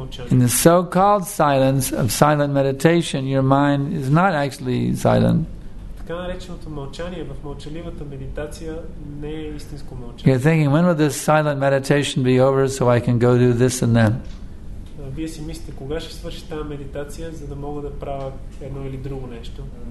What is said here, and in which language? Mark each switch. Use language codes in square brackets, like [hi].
[en] In the so-called silence of silent meditation, your mind is not actually silent. [bg] Така нареченото мълчание в мълчаливата медитация не е истинско мълчание. [en] You're thinking, when will this silent meditation be over so I can go do this and that? [bg] Вие си мислите, кога ще свърши тази медитация, за да мога да правя едно или друго нещо?